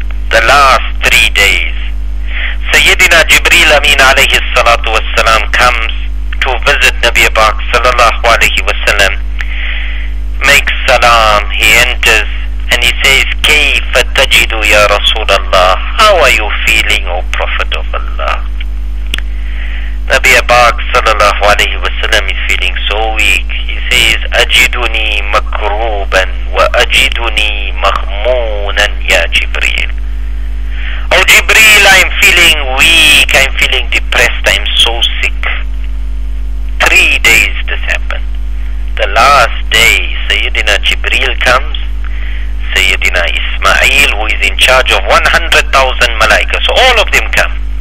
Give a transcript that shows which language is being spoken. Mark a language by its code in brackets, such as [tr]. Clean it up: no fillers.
[en] The last 3 days, Sayyidina Jibreel Amin alayhi salatu wa sallam comes to visit Nabi Pak sallallahu alayhi wa sallam, makes salam, he enters, and he says, [ar] كيف تجد يا رسول الله? [en] How are you feeling, O Prophet of Allah? Nabi Abak sallallahu alayhi wa sallam is feeling so weak. He says, [ar] أجدني مكروبا وأجدني مخمونا يا جبريل. [en] O Jibreel, I'm feeling weak, I'm feeling depressed, I'm so sick. 3 days this happened. The last day, Sayyidina Jibreel comes, Sayyidina Ismail, who is in charge of 100,000 malaika, so all of them come.